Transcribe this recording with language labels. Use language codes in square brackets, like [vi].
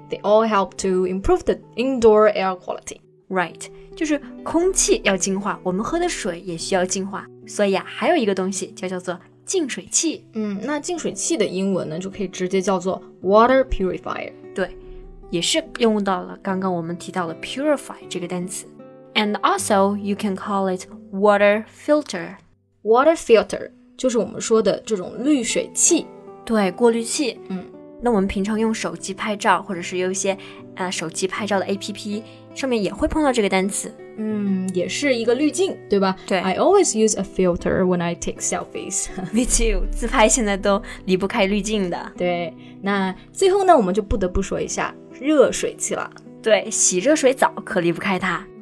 [en] They all help to improve the indoor air quality. Right. [zh] 就是空气要净化，我们喝的水也需要净化，所以啊，还有一个东西就叫做净水器。嗯，那净水器的英文呢，就可以直接叫做 water purifier。对，也是用到了刚刚我们提到的 purify 这个单词。 [en] And also, you can call it water filter. [zh] Water filter 就是我们说的这种滤水器。对，过滤器。嗯，那我们平常用手机拍照，或者是有一些手机拍照的 APP。上面也会碰到这个单词。嗯，也是一个滤镜，对吧？对。 [en] I always use a filter when I take selfies. Me too. [zh] 自拍现在都离不开滤镜的。对。那最后呢，我们就不得不说一下热水器了。对，洗热水澡可离不开它。